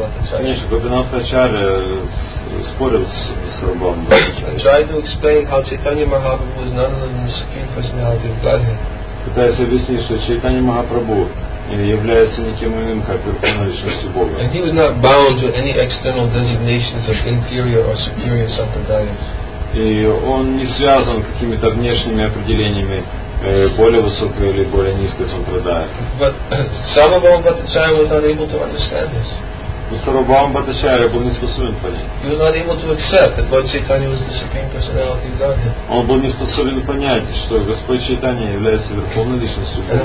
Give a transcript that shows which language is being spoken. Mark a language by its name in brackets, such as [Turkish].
[Russian] Конечно, Гопинатхачарья спорил с Рабхом Бхаттачарьей. Пытаясь объяснить, что Чайтанья Махапрабху является никем иным, как Верховной Личностью Бога. [English] And he was not bound to any external designations of inferior or superior sampradayas. [Russian] И он не связан какими-то внешними определениями более высокой или более низкой сампрадаи. [English] But [Russian] Сарвабхаума Бхаттачарья был не способен понять. [English] He was not able to accept that Lord Chaitanya was the Supreme Personality of Godhead. [Russian] Он был не способен понять, что Господь Чайтанья является Верховной Личностью Бога.